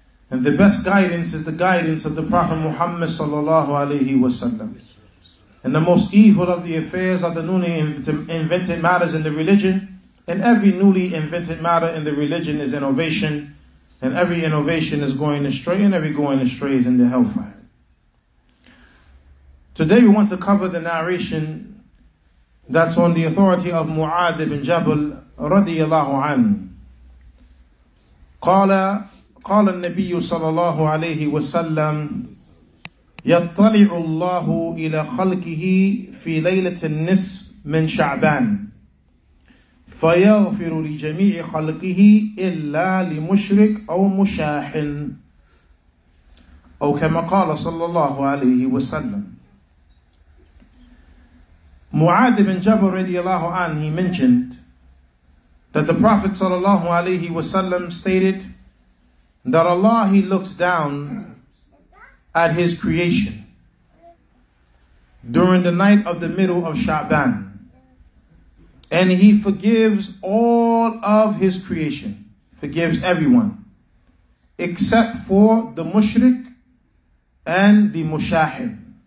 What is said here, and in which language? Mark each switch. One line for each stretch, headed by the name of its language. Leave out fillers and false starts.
English: And the best guidance is the guidance of the Prophet Muhammad sallallahu alayhi wa sallam. And the most evil of the affairs are the newly invented matters in the religion. And every newly invented matter in the religion is innovation. And every innovation is going astray, and every going astray is in the hellfire. Today we want to cover the narration that's on the authority of Mu'adh ibn Jabal رضي الله عنه
Arabic: قال النبي صلى الله عليه وسلم يطلع الله إلى خلقه في ليلة النصف من شعبان فيغفر لجميع خلقه إلا لمشرك أو مشاحن أو كما قال صلى الله عليه وسلم.
English: معاذ بن جبل رضي الله عنه, he mentioned that the Prophet sallallahu alayhi wasallam stated that Allah, He looks down at His creation during the night of the middle of Sha'ban, and He forgives all of His creation, forgives everyone except for the mushrik and the mushahid.